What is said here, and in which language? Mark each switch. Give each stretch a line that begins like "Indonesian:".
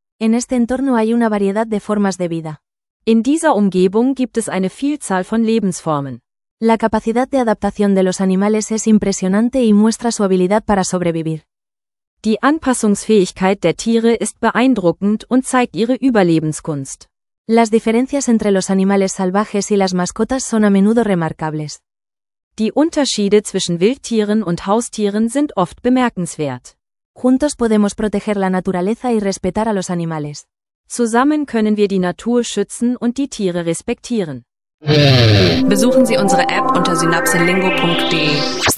Spanish: En este entorno hay una variedad de formas de vida.
German: In dieser Umgebung gibt es eine Vielzahl von Lebensformen.
Spanish: La capacidad de adaptación de los animales es impresionante y muestra su habilidad para sobrevivir.
German: Die Anpassungsfähigkeit der Tiere ist beeindruckend und zeigt ihre Überlebenskunst.
Spanish: Las diferencias entre los animales salvajes y las mascotas son a menudo remarcables.
German: Die Unterschiede zwischen Wildtieren und Haustieren sind oft bemerkenswert.
Spanish: Juntos podemos proteger la naturaleza y respetar a los animales.
German: Zusammen können wir die Natur schützen und die Tiere respektieren. Besuchen Sie unsere App unter synapselingo.de.